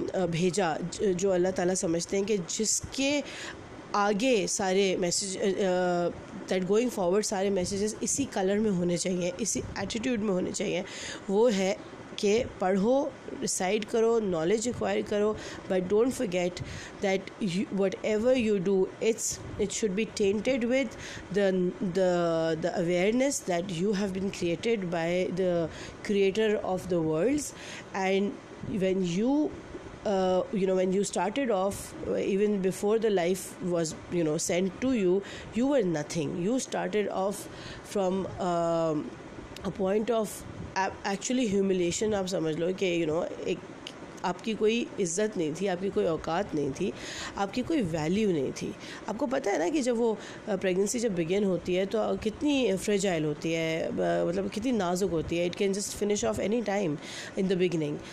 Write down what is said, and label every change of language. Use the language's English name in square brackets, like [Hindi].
[Urdu] بھیجا, جو اللہ تعالیٰ سمجھتے ہیں کہ جس کے آگے سارے میسیج [English] that going forward [Urdu] سارے میسیجز اسی کلر میں ہونے چاہیے, اسی ایٹیٹیوڈ میں ہونے چاہیے, وہ ہے کہ پڑھو, ریسائٹ کرو, نالج ایکوائر کرو, [English] But don't forget that whatever you do it should be tainted with the awareness that you have been created by the creator of the worlds. And when you you know, when you started off, even before the life was, you know, sent to you, you were nothing. You started off from a point of actually humiliation. [Urdu] آپ سمجھ لو کہ you know ایک آپ کی کوئی عزت نہیں تھی, آپ کی کوئی اوقات نہیں تھی, آپ کی کوئی ویلیو نہیں تھی. آپ کو پتہ ہے نا کہ جب وہ پریگنینسی جب بگن ہوتی ہے تو کتنی فریجائل ہوتی ہے, مطلب کتنی نازک ہوتی ہے, [English] It can just finish off any time in the beginning.